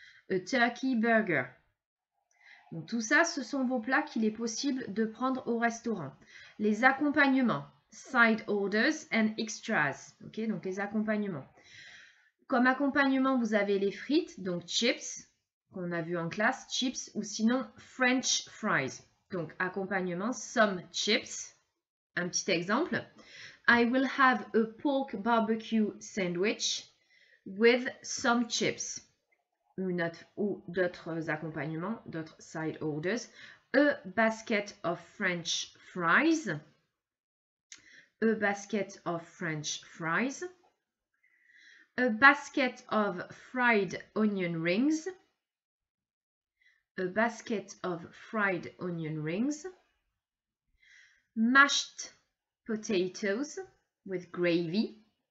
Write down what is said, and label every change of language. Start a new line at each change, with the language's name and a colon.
English: A turkey burger.
French: Bon, tout ça, ce sont vos plats qu'il est possible de prendre au restaurant. Les accompagnements.
English: Side orders and extras.
French: Ok, donc les accompagnements. Comme accompagnement, vous avez les frites, donc chips, qu'on a vu en classe, chips, ou sinon French fries. Donc accompagnement,
English: some chips.
French: Un petit exemple.
English: I will have a pork barbecue sandwich with some chips.
French: Ou d'autres accompagnements, d'autres side orders.
English: A basket of French fries. A basket of French fries. A basket of fried onion rings. A basket of fried onion rings. Mashed potatoes with gravy.